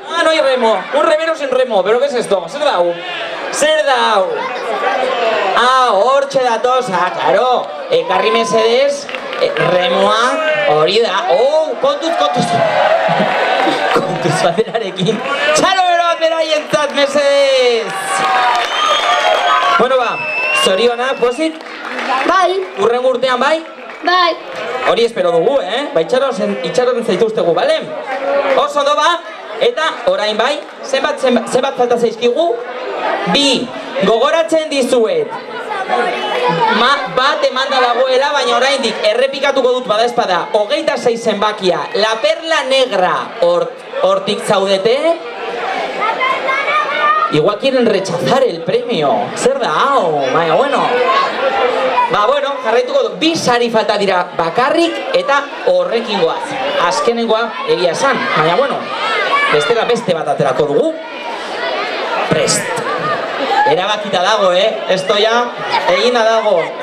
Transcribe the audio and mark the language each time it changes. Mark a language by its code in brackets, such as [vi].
[es] Ah, no hay remo, un remero sin remo, pero que es esto, [eu] zer da hau? Zer da hau? Ah, hortxe datoz, ah, claro, ekarri mesedez, remoa, hori da, oh, kontuz, kontuz, kontuz baterarekin, txalo bero batera hientzat, mesedez! Bueno, ba, zoriona, pozit? Bai. Urren urtean, bai? Bai. Hori espero dugu, eh? Ba, itxaron, itxaron zaituztegu, bale? Oso ondo, ba, eta orain bai, zenbat falta zaizkigu? Bi, gogoratzen dizuet. Ma, bat emanda dagoela, baina oraindik errepikatuko dut bada espada. Hogeita zei zenbakia, La Perla Negra, hortik zaudete? [es] Igual quieren rechazar el premio. [eu] Zer da, hau, baina, bueno. Ba, bueno, jarraituko dut, bi sari falta dira bakarrik eta horrekin goaz. Azkenengoa egia esan, baina, bueno, bestela beste bat aterako dugu. Prest. Erabakita dago, eh? [es] Esto ya, [eu] egina dago.